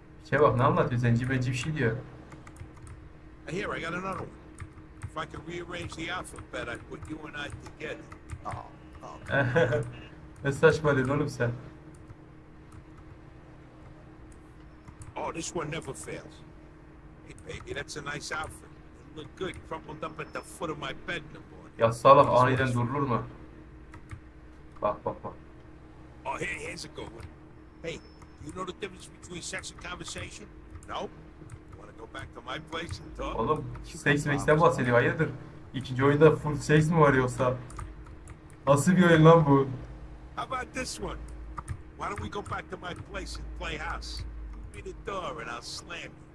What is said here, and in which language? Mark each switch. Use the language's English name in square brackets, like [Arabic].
[Turkish] Şey bak ne anlatıyor zenci bir şey diyor. [English] Here I got another one. If I could rearrange the alphabet, I'd put you and I together. [Turkish] Ne saçmalıyın oğlum sen? [English] Oh, this one never fails. Hey baby, that's a nice outfit. It looked good crumpled up at the foot of my bed in the morning. [Turkish] Ya salak aniden durulur mu? Bak bak bak. [English] Oh, hey, here's a good one. Hey, you know the difference between sex and conversation? No? Wanna go back to my place and talk? [Turkish] Oğlum, seks meksten bahsediyor, hayırdır? İkinci oyunda full seks mi var yoksa? Nasıl bir oyun lan bu? [English] How about this one? Why don't we go back to my place and play house? Give me the door and I'll slam you.